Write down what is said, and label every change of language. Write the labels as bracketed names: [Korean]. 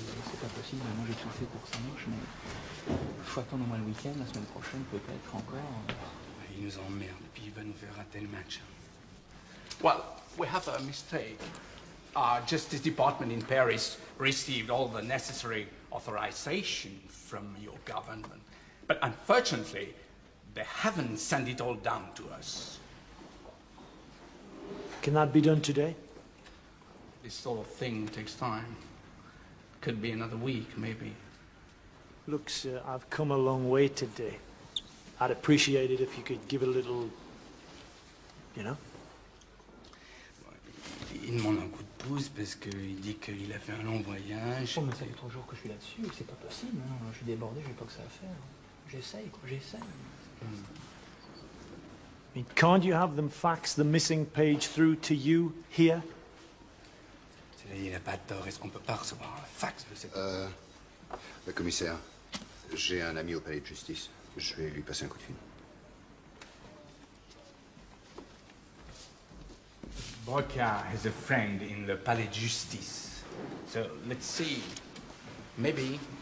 [French] C'est pas possible, moi j'ai tout fait pour que ça marche, mais il faut attendre au moins le week-end, la semaine prochaine peut-être encore. Il nous emmerde, puis il va nous faire rater le match. [English] Well, we have a mistake. Our justice department in Paris received all the necessary authorization from your government. But unfortunately, they haven't sent it all down to us. Can that be done today? This sort of thing takes time. Could be another week, maybe. Look, sir, I've come a long way today. I'd appreciate it if you could give a little, you know? [French] Il m'en a un coup de pouce parce qu'il dit qu'il a fait un long voyage. Oh, mais ça fait 3 jours que je suis là-dessus. C'est pas possible. Hein. Je suis débordé, j'ai pas que ça à faire. J'essaye, quoi, j'essaye. [English] I mean, can't you have them fax the missing page through to you here? [French] C'est-à-dire, il n'a pas tort. Est-ce qu'on peut pas recevoir un fax de cette... Le commissaire, j'ai un ami au palais de justice. Je vais lui passer un coup de fil. [English] Boca has a friend in the palais de justice. So, let's see. Maybe...